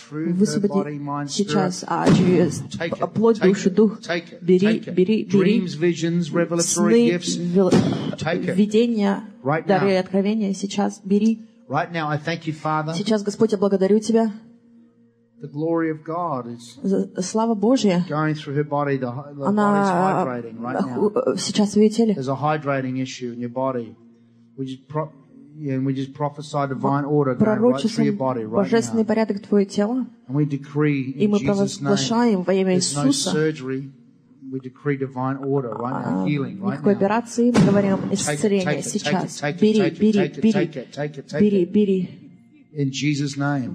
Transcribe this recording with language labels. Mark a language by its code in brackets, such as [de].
[ru] Высвободи сейчас. А через плоть, душу, дух. Бери. [en] Dreams, visions, revelatory gifts. [ru] Видения, дары и откровения сейчас. Бери. [en] Right now, I thank you, Father. [ru] Сейчас, Господь, я благодарю тебя. [en] The glory of God is. [ru] Слава Божья. [en] Going through her body, the body's hydrating right now. [ru] Сейчас в ее теле. [en] There's a hydrating issue in your body, which is and we just prophesy divine order going right through your body right now. [ru] Божественный порядок твое тело. [en] And we decree in Jesus' name. There's no surgery. We decree divine order right now, healing right now. [ru] Никакой операции, мы говорим исцеление сейчас. Бери. [en] In Jesus' name.